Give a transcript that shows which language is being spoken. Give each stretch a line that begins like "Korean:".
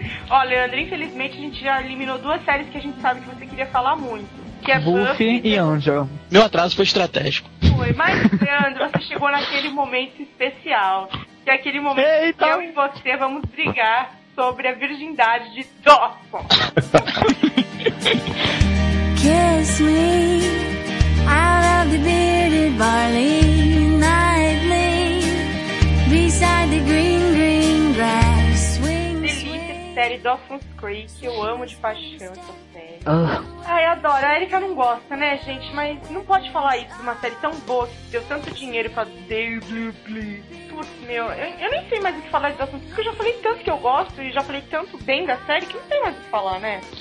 Portuguese: Ó, Leandro, infelizmente a gente já eliminou duas séries que a gente sabe que você queria falar muito. Que é Buffy e Angel. Meu atraso foi estratégico. Foi, mas Leandro, você chegou naquele momento especial. Que é aquele momento. Eita. Que eu e você vamos brigar sobre a virgindade de Dawson.
English: Kiss me out of the bearded barley nightly beside the green, green grass.
Portuguese: Swing, delícia, swing. Série Dawson's Creek, eu amo de paixão essa série. Ai, adoro. A Erika não gosta, né, gente? Mas não pode falar isso de uma série tão boa que deu tanto dinheiro pra Daily. Putz, meu, eu nem sei mais o que falar de Dawson's Creek, porque eu já falei tanto que eu gosto e já falei tanto bem da série que não tem mais o que falar, né?